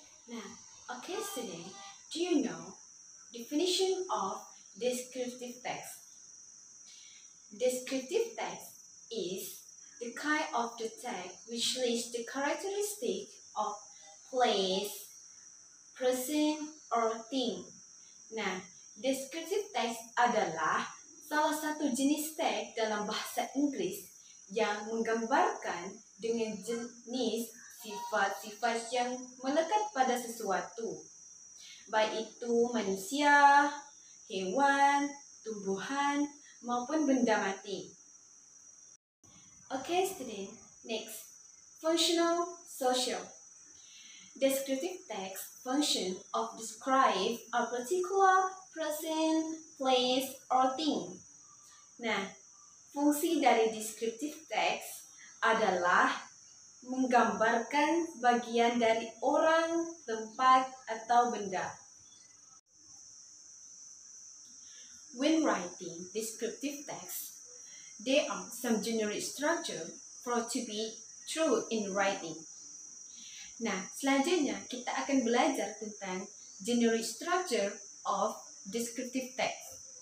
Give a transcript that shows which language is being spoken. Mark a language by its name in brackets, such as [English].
[English] Now, okay student, do you know definition of descriptive text? Descriptive text is the kind of the text which lists the characteristic of place, person, or thing. [Indonesian] Nah, descriptive text adalah salah satu jenis teks dalam bahasa Inggris yang menggambarkan dengan jenis sifat-sifat yang melekat pada sesuatu. Baik itu manusia, hewan, tumbuhan, maupun benda mati. [English] Okay, student. Next, functional social. Descriptive text function of describe a particular person, place, or thing. [Indonesian] Nah, fungsi dari descriptive text adalah menggambarkan bagian dari orang, tempat, atau benda. [English] When writing descriptive text, there are some generic structure for to be true in writing. [Indonesian] Nah, selanjutnya kita akan belajar tentang [English] generic structure of descriptive text.